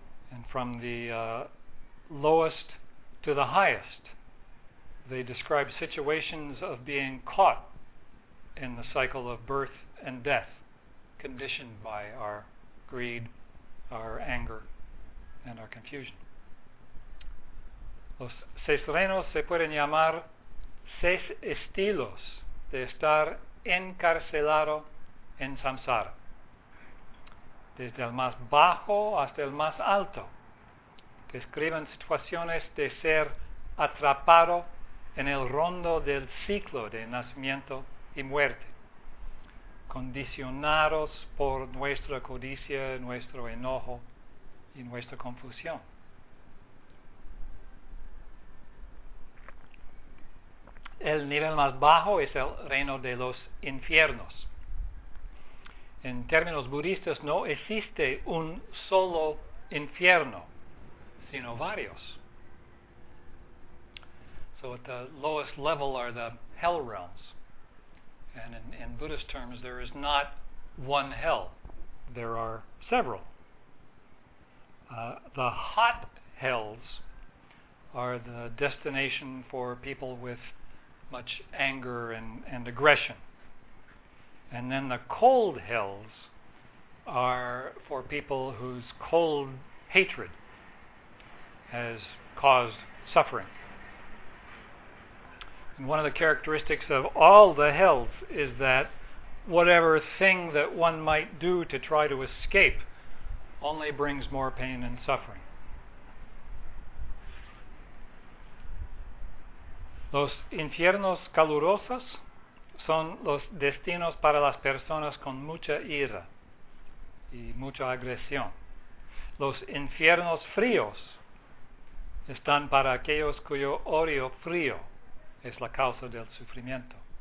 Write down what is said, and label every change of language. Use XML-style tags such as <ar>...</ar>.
<en>And from the lowest to the highest, they describe situations of being caught in the cycle of birth and death, conditioned by our greed, our anger, and our confusion.</en> <es>Los seis reinos se pueden llamar seis estilos de estar encarcelado en samsara, desde el más bajo hasta el más alto. Describen situaciones de ser atrapado en el rondo del ciclo de nacimiento y muerte, condicionados por nuestra codicia, nuestro enojo y nuestra confusión. El nivel más bajo es el reino de los infiernos. En términos budistas, no existe un solo infierno, sino varios.</es> <en>So at the lowest level are the hell realms. And in Buddhist terms, there is not one hell. There are several. The hot hells are the destination for people with much anger and aggression. And then the cold hells are for people whose cold hatred has caused suffering. And one of the characteristics of all the hells is that whatever thing that one might do to try to escape only brings more pain and suffering.</en> <es>Los infiernos calurosos son los destinos para las personas con mucha ira y mucha agresión. Los infiernos fríos están para aquellos cuyo odio frío es la causa del sufrimiento.</es>